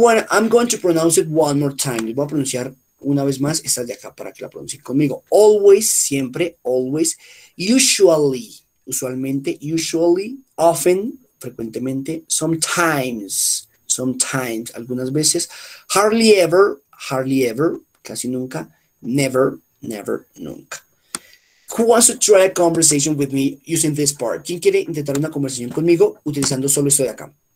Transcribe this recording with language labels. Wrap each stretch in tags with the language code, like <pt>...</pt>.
<en>I'm going to pronounce it one more time.</en> <es>Les voy a pronunciar una vez más esta de acá para que la pronuncien conmigo.</es> <en>Always, siempre, always, usually, usualmente, usually, often. Frecuentemente, sometimes, sometimes, algunas veces, hardly ever, casi nunca, never, never, nunca. Who wants to try a conversation with me using this part?</en> <es>¿Quién quiere intentar una conversación conmigo utilizando solo esto de acá?</es>